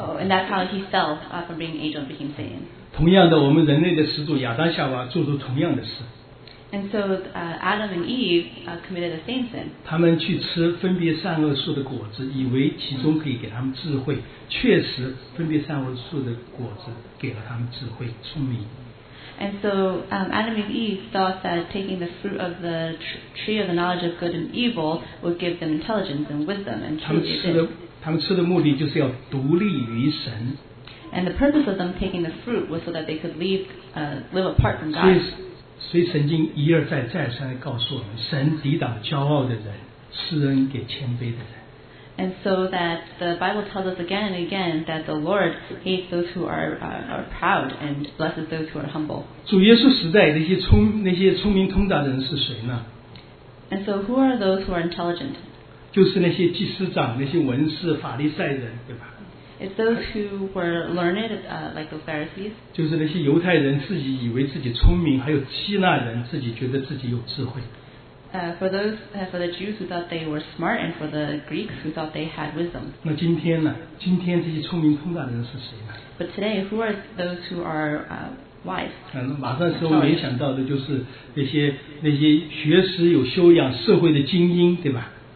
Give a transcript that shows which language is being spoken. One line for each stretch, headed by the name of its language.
English: Oh, and that's how he fell from being an angel and became Satan.
Chinese: 同样的，我们人类的始祖亚当夏娃做出同样的事。
English: And so Adam and Eve committed the same sin.
Chinese: 他们去吃分别善恶树的果子，以为其中可以给他们智慧。确实，分别善恶树的果子给了他们智慧、聪明。
English: And so Adam and Eve thought that taking the fruit of the tree of the knowledge of good and evil would give them intelligence and wisdom and truly
Chinese: did. 他们吃的目的就是要独立于神。
English: And the purpose of them taking the fruit was so that they could live apart from God.
Chinese: 所以圣经一而再再三地告诉我们，神抵挡骄傲的人，赐恩给谦卑的人。
English: And so that the Bible tells us again and again that the Lord hates those who are proud and blesses those who are humble.
Chinese: 主耶稣时代那些聪明通达的人是谁呢？
English: And so who are those who are intelligent?
Chinese: 就是那些祭司长、那些文士、法利赛人，对吧？
English: It's those who were learned, like the Pharisees.
Chinese: 就是那些犹太人自己以为自己聪明，还有希腊人自己觉得自己有智慧。
English: For the Jews who thought they were smart, and for the Greeks who thought they had wisdom.
Chinese: 那今天呢？今天这些聪明通达的人是谁呢？
English: But today, who are those who are wise?
Chinese: 马上时候没想到的就是那些学识有修养、社会的精英，对吧？